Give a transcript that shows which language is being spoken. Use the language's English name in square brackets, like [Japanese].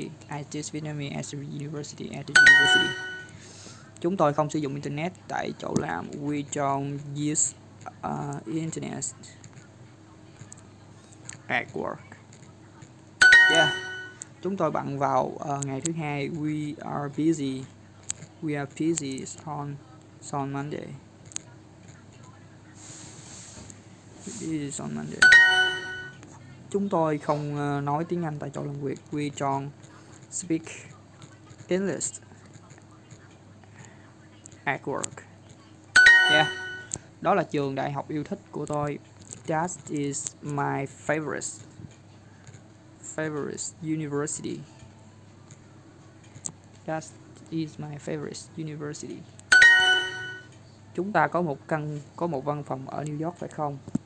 [English] I teach Vietnamese at a university. At a university. [Vietnamese] Chúng tôi không sử dụng internet tại chỗ làm. [English] We don't use internet at work. Yeah. [Vietnamese] Chúng tôi bận vào ngày thứ hai. [English] We are busy. We are busy on Monday. Is on Monday. [Vietnamese] Chúng tôi không nói tiếng Anh tại chỗ làm việc. [English] We don't speak English at work. Yeah. [Vietnamese] Đó là trường đại học yêu thích của tôi. [English] That is my favorite university. That is my favorite university. [Vietnamese] Chúng ta có một văn phòng ở New York phải không?